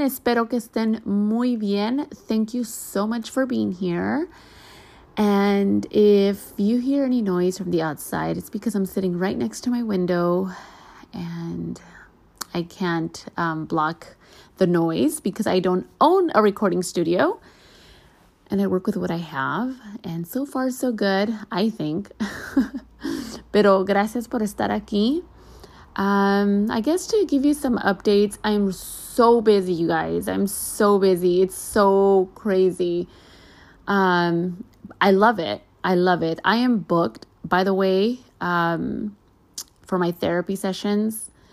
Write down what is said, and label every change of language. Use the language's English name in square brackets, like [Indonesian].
[Spanish] Espero que estén muy bien. [English] Thank you so much for being here. And if you hear any noise from the outside, it's because I'm sitting right next to my window and I can't block the noise because I don't own a recording studio and I work with what I have. And so far, so good, I think. [Spanish] Pero gracias por estar aquí. [English] I guess to give you some updates, I'm so busy, you guys. I'm so busy. It's so crazy. I love it. I love it. I am booked, by the way, for my therapy sessions.